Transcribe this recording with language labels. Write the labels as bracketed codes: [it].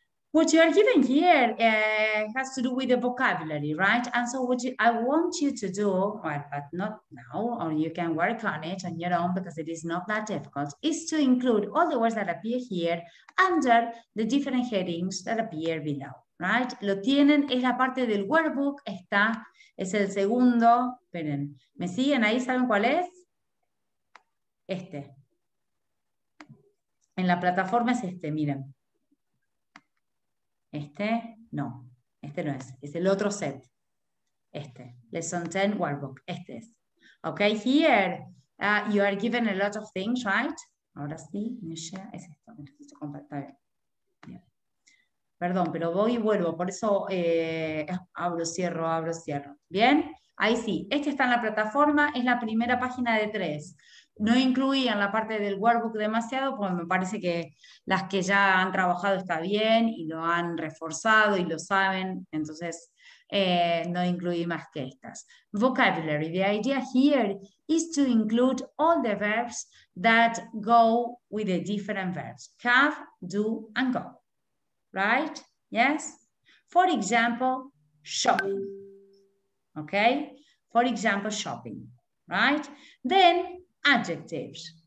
[en] What you are given here has to do with the vocabulary, right? And so what I want you to do, well, but not now, or you can work on it on your own because it is not that difficult, is to include all the words that appear here under the different headings that appear below, right? [es] Lo tienen, es la parte del workbook, está, es el segundo, esperen, ¿me siguen ahí? ¿Saben cuál es? Este. En la plataforma es este, miren. Este, no, este no es, es el otro set. Este, Lesson 10 Workbook, este es. [en] Ok, here, you are given a lot of things, right? [es] Ahora sí, es esto, está bien. Perdón, pero voy y vuelvo, por eso abro, cierro, abro, cierro. Bien, ahí sí, este está en la plataforma, es la primera página de tres. No incluí en la parte del workbook demasiado, porque me parece que las que ya han trabajado está bien y lo han reforzado y lo saben, entonces no incluí más que estas. [en] Vocabulary. The idea here is to include all the verbs that go with the different verbs. Have, do, and go. Right? Yes? For example, shopping. Okay? For example, shopping, right? Then adjectives.